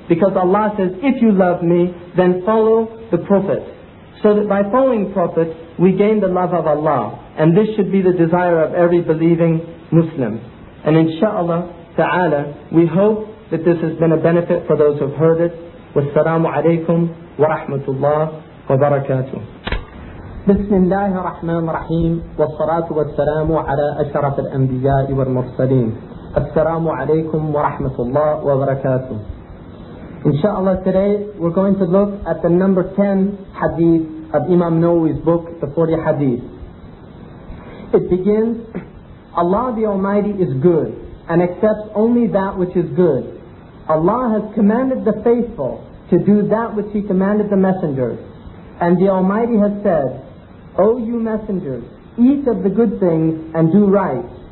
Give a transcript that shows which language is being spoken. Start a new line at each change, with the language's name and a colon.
English: Because Allah says, if you love me, then follow the Prophet. So that by following the Prophet, we gain the love of Allah. And this should be the desire of every believing Muslim. And inshaAllah ta'ala, we hope that this has been a benefit for those who have heard it. Wassalamu alaikum wa rahmatullah wa barakatuh.
Arabic: بسم الله الرحمن الرحيم والصلاة والسلام على أشرف الأنبياء والمرسلين السلام عليكم ورحمة الله وبركاته إن شاء الله
English: today we're going to look at the number 10 hadith of Imam Nawawi's book, the 40 hadith. It begins, Allah the Almighty is good and accepts only that which is good. Allah has commanded the faithful to do that which He commanded the messengers. And the Almighty has said, O you messengers, eat of the good things and do right.